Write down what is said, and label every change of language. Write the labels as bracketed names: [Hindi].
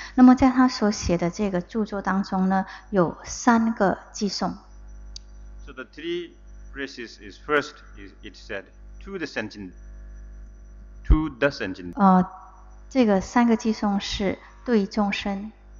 [Chinese] 那么在他所写的这个著作当中呢，有三个偈颂。 [English] So the three phrases is first is it said to the sentient. To the sentient. [Chinese] 这个三个偈颂是对众生。